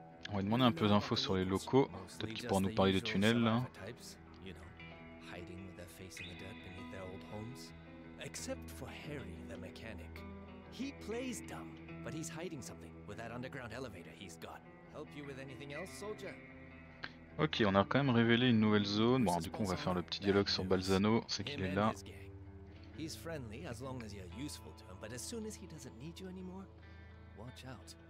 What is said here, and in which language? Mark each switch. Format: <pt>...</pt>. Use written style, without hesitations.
<fr>On va demander un peu d'infos sur les locaux, peut-être qu'ils pourront nous parler des tunnels là.</fr> <en>You know, hiding with their face in the dirt beneath their old homes. Except for Harry, the mechanic. He plays dumb, but he's hiding something with that underground elevator he's got. Help you with anything else, soldier?</en> <fr>Ok, on a quand même révélé une nouvelle zone. Bon, du coup, on va faire le petit dialogue sur Balzano, c'est qu'il est là.</fr> <en>He's friendly as long as you're useful to him, but as soon as he doesn't need you anymore, watch out.</en>